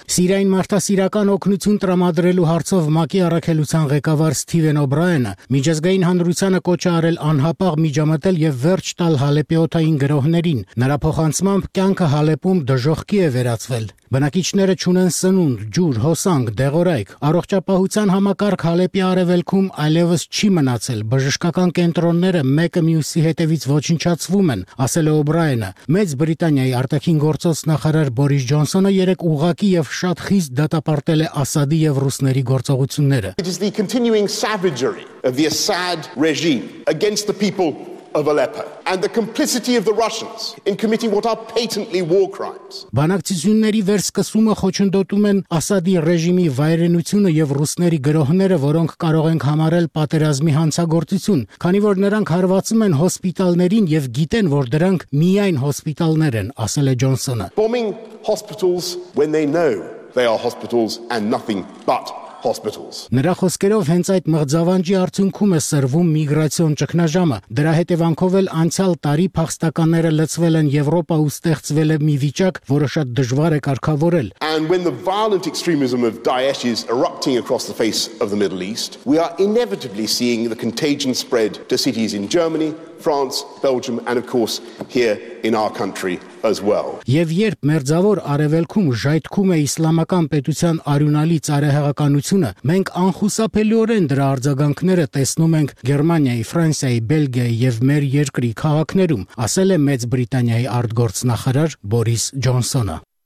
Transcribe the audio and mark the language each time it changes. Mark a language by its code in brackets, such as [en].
[hy] Սիրիայի մարդասիրական օգնություն տրամադրելու հարցով ՄԱԿ-ի առաքելության ղեկավար Սթիվեն Օբրայենը միջազգային հանրությանը կոչ արել անհապաղ միջամտել եւ վերջ տալ Հալեպի օթային գրոհներին։ Նրա փոխանցմամբ կյանքը Հալեպում դժոխքի է վերածվել։ Բնակիչները չունեն սնունդ, ջուր, հոսանք, դեղորայք։ Առողջապահության համակարգ Հալեպի արևելքում այլևս չի մնացել։ Բժշկական կենտրոնները մեկը մյուսի հետևից ոչնչացվում են, ասել է Օբրայենը։ Մեծ Բրիտանիայի արտաքին գործոց նախարար Բորիս Ջոնսոնը երեկ ուղղակի եւ շատ խիստ դատապարտել է Ասադի եւ ռուսների գործողությունները։ [en] It is the continuing savagery of the Assad regime against the people of Aleppo and the complicity of the Russians in committing what are patently war crimes. [hy] Բանակցությունների վերսկսումը խոչընդոտում են Ասադի ռեժիմի վայրենությունը եւ ռուսների գրոհները, որոնք կարող են համարել պատերազմի հանցագործություն, քանի որ նրանք հարվածում են հոսպիտալներին եւ գիտեն, որ դրանք միայն հոսպիտալներ են, ասել է Ջոնսոնը. [en] Bombing hospitals when they know they are hospitals and nothing but hospitals. [hy] Նրա խոսքերով հենց այդ մղձավանջի արդյունքում է սրվում միգրացիոն ճգնաժամը։ Դրա հետևանքով էլ անցյալ տարի փախստականները լցվել են Եվրոպա ու ստեղծվել է մի վիճակ, որը շատ դժվար է կարգավորել։ [en] And when the violent extremism of Daesh is erupting across the face of the Middle East, we are inevitably seeing the contagion spread to cities in Germany, France, Belgium and of course here in our country as well. [hy] Եվ երբ մերձավոր արևելքում ժայթքում է իսլամական պետության արյունալի ծարահեղականությունը, մենք անխուսափելիորեն դրա արձագանքները տեսնում ենք Գերմանիայի, Ֆրանսիայի, Բելգիայի եւ մեր երկրի քաղաքներում, ասել է Մեծ Բրիտանիայի արտգործնախարար Բորիս Ջոնսոնը։